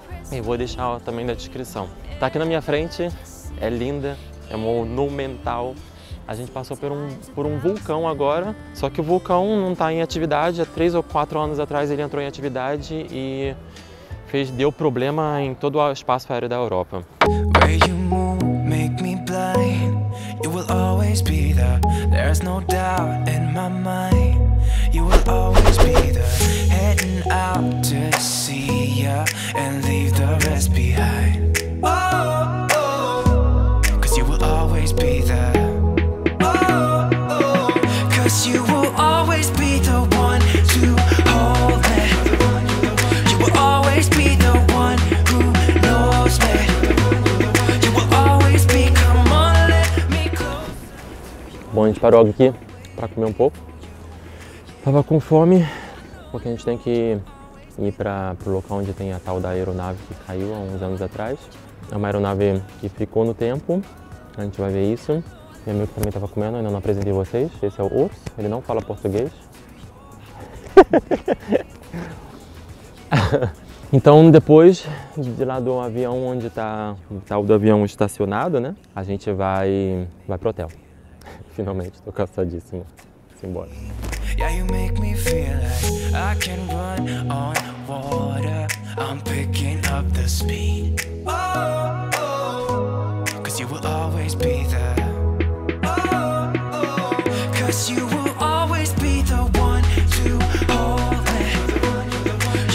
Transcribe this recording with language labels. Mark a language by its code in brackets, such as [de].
[pt] E vou deixar também na descrição. Tá aqui na minha frente, é linda, é monumental. A gente passou por um vulcão agora, só que o vulcão não tá em atividade. Há 3 ou 4 anos atrás ele entrou em atividade e deu problema em todo o espaço aéreo da Europa. [en] Where you move, make me blind. You will always be there. There's no doubt in my mind. You will always be there. Heading out to see ya. And leave the rest behind. Oh, oh, cause you will always be there. Oh, oh, cause you will always be the one to hold me. You will always be the one who knows me. You will always be, come on, let me close. [pt] Bom, a gente parou aqui pra comer um pouco. Tava com fome, porque a gente tem que ir para o local onde tem a tal da aeronave que caiu há uns anos atrás. É uma aeronave que ficou no tempo, a gente vai ver isso. Meu amigo também estava comendo, ainda não apresentei vocês. Esse é o Urs, ele não fala português. Então, depois de lá do avião onde está o tal do avião estacionado, né? A gente vai pro hotel. Finalmente, estou cansadíssimo. Simbora. [en] Yeah, you make me feel like I can run on water. I'm picking up the speed. Oh, oh, cause you will always be there. Oh, oh, cause you will always be the one to hold me.